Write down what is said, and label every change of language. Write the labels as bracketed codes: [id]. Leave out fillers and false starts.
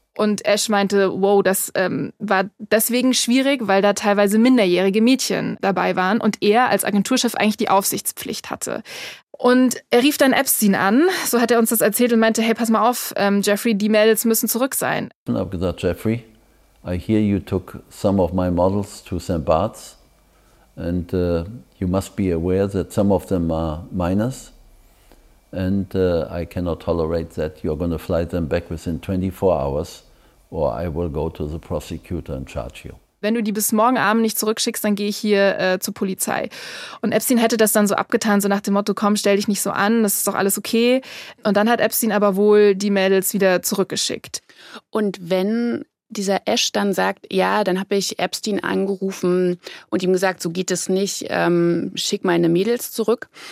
[de] Und Ash meinte, wow, das war deswegen schwierig, weil da teilweise minderjährige Mädchen dabei waren und er als Agenturchef eigentlich die Aufsichtspflicht hatte. Und er rief dann Epstein an, so hat er uns das erzählt und meinte, hey, pass mal auf, Jeffrey, die Mädels müssen zurück sein. Ich habe gesagt, [en] Jeffrey, I hear you took some of my models to St. Barts and you must be aware that some of them are minors and I cannot tolerate that you're going to fly them back within 24 hours or I will go to the prosecutor and charge you. [de] Wenn du die bis morgen Abend nicht zurückschickst, dann gehe ich hier zur Polizei. Und Epstein hätte das dann so abgetan, so nach dem Motto, komm, stell dich nicht so an, das ist doch alles okay. Und dann hat Epstein aber wohl die Mädels wieder zurückgeschickt. Und wenn dieser Esch dann sagt, ja, dann habe ich Epstein angerufen und ihm gesagt, so geht es nicht, schick meine Mädels zurück.